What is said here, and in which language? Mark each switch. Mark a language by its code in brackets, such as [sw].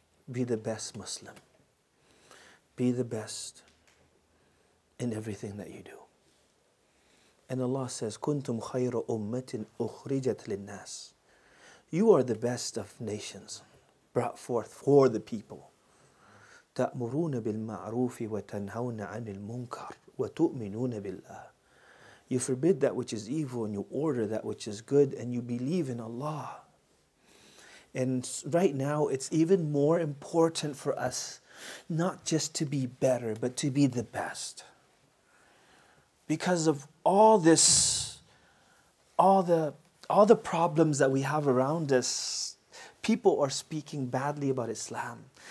[en] Be the best Muslim. Be the best in everything that you do. And Allah says, [ar] "Kuntum khayra ummatin ukhrijat linnas." [en] You are the best of nations brought forth for the people. [ar] تأمرون بالمعروف وتنهون عن المنكر وتؤمنون بالله. [en] You forbid that which is evil and you order that which is good and you believe in Allah. And right now it's even more important for us not just to be better but to be the best. Because of all this, all the problems that we have around us, people are speaking badly about Islam.